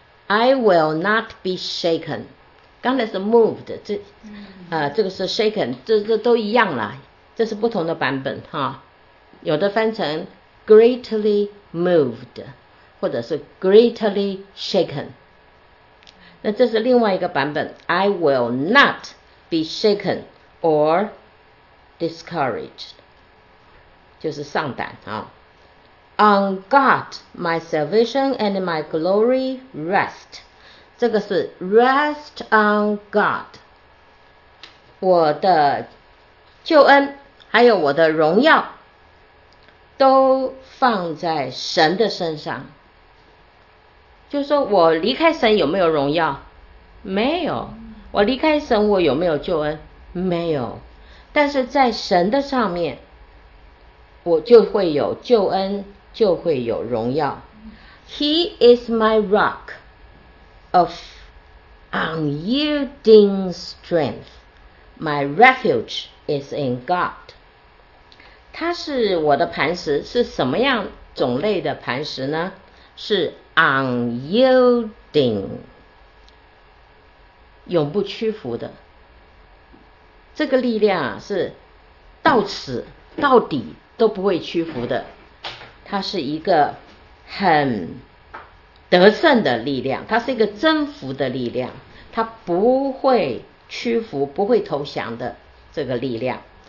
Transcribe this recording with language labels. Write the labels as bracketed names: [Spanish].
[English] I will not be shaken， [Chinese] 刚才是 moved， 这个是 shaken， 这都一样啦，这是不同的版本哈，有的翻成 [English] greatly moved [Chinese] 或者是 [English] greatly shaken， [Chinese] 那这是另外一个版本。 [English] I will not be shaken or discouraged， [Chinese] 就是上胆啊。 [English] On God, my salvation and my glory rest. [Chinese] 这个是 [English] rest on God. [Chinese] 我的救恩还有我的荣耀都放在神的身上。就是说我离开神有没有荣耀？没有。我离开神我有没有救恩？没有。但是在神的上面我就会有救恩，就会有荣耀。 [English] He is my rock of unyielding strength. My refuge is in God. [Chinese] 他是我的磐石，是什么样种类的磐石呢？是 unyielding， 永不屈服的。这个力量啊，是到此到底都不会屈服的，它是一个很得胜的力量，它是一个征服的力量，它不会屈服，不会投降的这个力量。